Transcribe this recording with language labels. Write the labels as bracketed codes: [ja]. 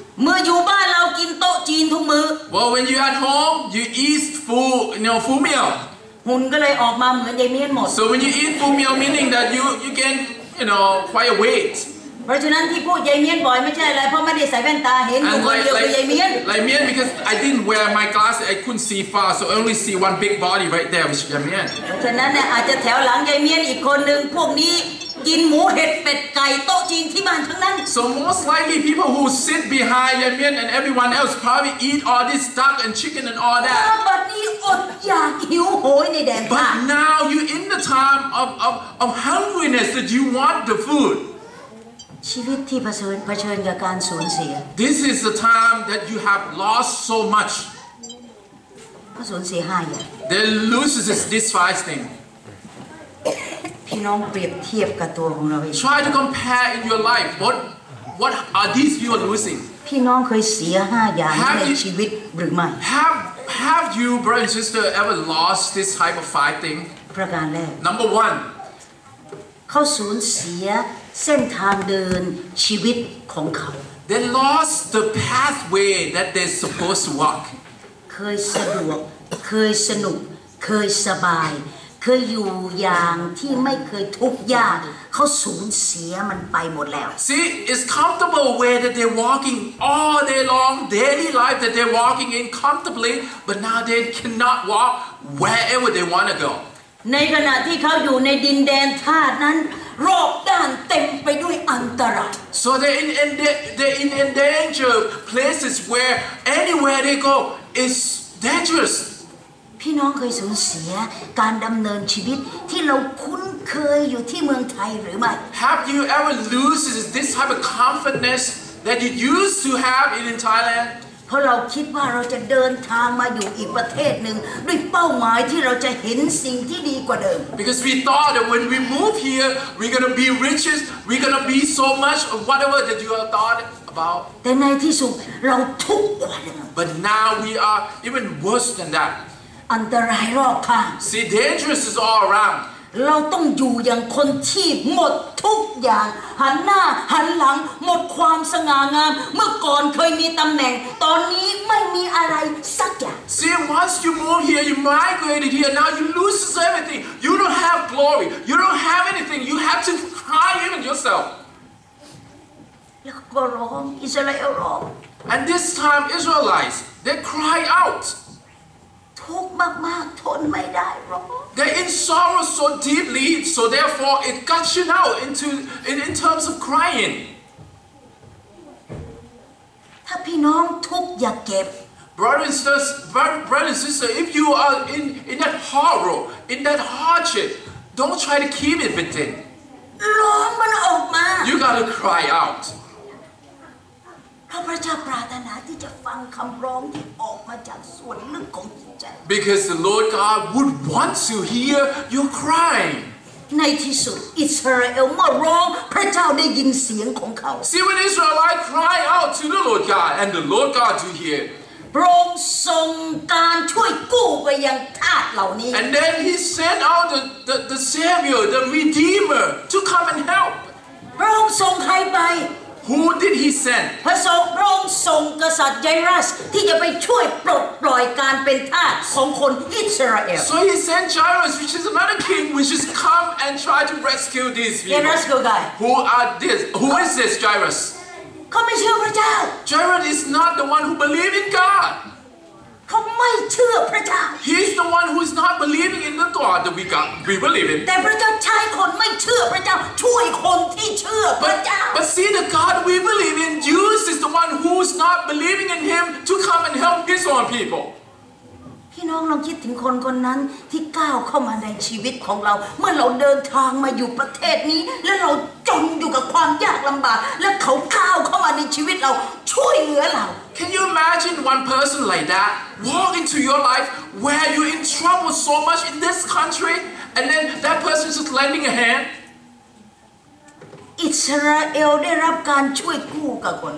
[th] เมื่ออยู่บ้านเรากินโต๊ะจีนทุกมื้อ [en] Well when you at home you eat full you know full meal [th] หุ่นก็เลยออกมาเหมือนยายเมียนหมด [en] So when you eat full meal meaning that you can you know quite a weight [th] เพราะฉะนั้นที่พูดยายเมียนบ่อยไม่ใช่อะไรเพราะไม่ได้ใส่แว่นตาเห็นอยู่คนเดียวคือยายเมียน [en] ยายเมียน because I didn't wear my glasses I couldn't see far so I only see one big body right there which is ยายเมียน [th] เพราะฉะนั้นเนี่ยอาจจะแถวหลังยายเมียนอีกคนนึงพวกนี้กินหมูเห็ดเป็ดไก่โต๊ะจีนที่บ้านทั้งนั้น [en] so most likely people who sit behind ยายเมียน and everyone else probably eat all this duck and chicken and all that [th] บัดนี้อดอยากหิวโหยในแดน [en] ค่ะ but now you're in the time of hungriness that you want the food [th] ชีวิตที่เผชิญกับการสูญเสีย [en] This is the time that you have lost so much. [th] เขาสูญเสียห้าอย่าง [en] They lose this five thing. [th] พี่น้องเปรียบเทียบกับตัวของเราเอง [en] Try to compare in your life. What are these you are losing? [th] พี่น้องเคยเสียห้าอย่างในชีวิตหรือไม่ [en] Have you, brother and sister, ever lost this type of five thing? [th] ประการแรก [en] Number one. [th] เขาสูญเสียเส้นทางเดินชีวิตของเขา [en] They lost the pathway that they're supposed to walk [th] เคยสะดวกเคยสนุกเคยสบายเคยอยู่อย่างที่ไม่เคยทุกข์ยากเขาสูญเสียมันไปหมดแล้ว [en] See it's comfortable way that they're walking all day long daily life that they're walking in comfortably but now they cannot walk wherever they want to go [th] ในขณะที่เขาอยู่ในดินแดนธาตุนั้นรอบด้านเต็มไปด้วยอันตราย [en] So they're in danger places where anywhere they go is dangerous [th] พี่น้องเคยสูญเสียการดำเนินชีวิตที่เราคุ้นเคยอยู่ที่เมืองไทยหรือไม่ [en] Have you ever lose this type of comfortness that you used to have in Thailand [th] เพราะเราคิดว่าเราจะเดินทางมาอยู่อีกประเทศหนึ่งด้วยเป้าหมายที่เราจะเห็นสิ่งที่ดีกว่าเดิม [en] Because we thought that when we move here we're gonna be riches we're gonna be so much of whatever that you have thought about [th] แต่ในที่สุดเราทุกข์กว่าเดิม [en] But now we are even worse than that [th] อันตรายรอบข้าง [en] See dangerous is all around [th] เราต้องอยู่อย่างคนที่หมดทุกอย่างหันหน้าหันหลังหมดความสง่างามเมื่อก่อนเคยมีตำแหน่งตอนนี้ไม่มีอะไรสักอย่าง [en] See once you move here you migrated here now you lose everything you don't have glory you don't have anything you have to cry even yourself [th] แล้วก็ร้องอิสราเอลร้อง [en] And this time Israelites they cry out [th] ทุกข์มากๆทนไม่ได้หรอก [en] They're in sorrow so deeply so therefore it gushing out in terms of crying [th] ถ้าพี่น้องทุกข์อย่าเก็บ [en] Brother and sister if you are in that horror in that hardship don't try to keep it within [th] ร้องมันออกมา [en] You got to cry out [th] ข้าพเจ้าปรารถนาที่จะฟังคำร้องที่ออกมาจากส่วนลึกของจิตใจ [en] Because the Lord God would want to hear your cry [th] ในที่สุดอิสราเอลเมื่อร้องพระเจ้าได้ยินเสียงของเขา [en] See when Israel I cry out to the Lord God and the Lord God to hear [th] พระองค์ทรงการช่วยกู้ไปยังทาสเหล่านี้ [en] And then he sent out the Savior the Redeemer to come and help [th] พระองค์ทรงใครไป [en] Who did he send? [th] พระองค์ส่งกษัตริย์ไจรัสที่จะไปช่วยปลดปล่อยการเป็นทาสของคนอิสราเอล [en] So he sent Jairus, which is another king, which is come and try to rescue these people. Jairus, go guy. Who are this? Who is this Jairus? [th] เขาไม่เชื่อพระเจ้า [en] Jairus is not the one who believe in God. [th] เขาไม่เชื่อพระเจ้า [en] He's the one who is not believing in the God that we believe in. [th] แต่พระเจ้าใช้คนไม่เชื่อพระเจ้าช่วยคนที่เชื่อพระเจ้า [en] But see the God we believe in, Jesus is the one who's not believing in Him to come and help His own people. [th] พี่น้องลองคิดถึงคนคนนั้นที่ก้าวเข้ามาในชีวิตของเราเมื่อเราเดินทางมาอยู่ประเทศนี้และเราจมอยู่กับความยากลำบากและเขาก้าวเข้ามาในชีวิตเราช่วยเหลือเรา [en] Can you imagine one person like that walk into your life where you're in trouble so much in this country and then that person is just lending a hand? [th] อิสราเอลได้รับการช่วยกู้กับคน